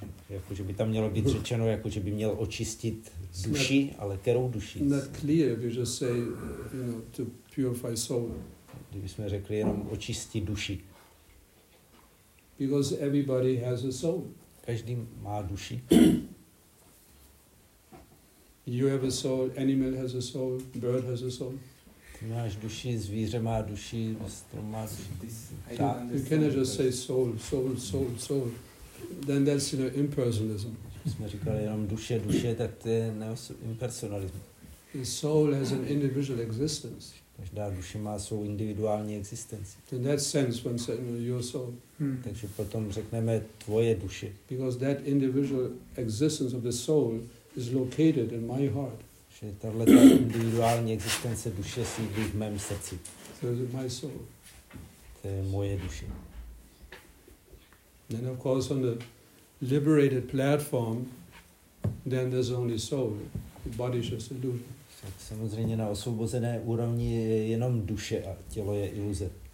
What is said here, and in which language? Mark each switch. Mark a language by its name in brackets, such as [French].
[Czech] Jakože by tam mělo být řečeno, jakože by měl očistit duši, ale kterou duši? [English] Not clear if you just say, you know, to purify soul. [Czech] Kdybychom řekli jenom očisti duši. [English] Because everybody has a soul. [Czech] Každý má duši. [English] You have a soul, animal has a soul, bird has a soul. [Czech] Máš duši, zvíře má duši, strom má duši. [English] You cannot just say soul, soul, soul, soul. Then that's, you know, impersonalism. [Czech] Jsme říkali jenom duše, duše, tak to je neo-impersonalism. [English] The soul has an individual existence. [Czech] Každá duše má svou individuální existenci. [English] In that sense, one says, you know, your soul. [Czech] Takže potom řekneme tvoje duše. [English] Because that individual existence of the soul is located in my heart. [Czech] Že tahle ta individuální existence duše sídlí v mém srdci. [English] So is it my soul. [Czech] To je moje duše. [English] Then of course on the liberated platform, then there's only soul. The body is just illusion. [Czech] Tak samozřejmě na osvobozené úrovni je jenom duše a tělo je iluze.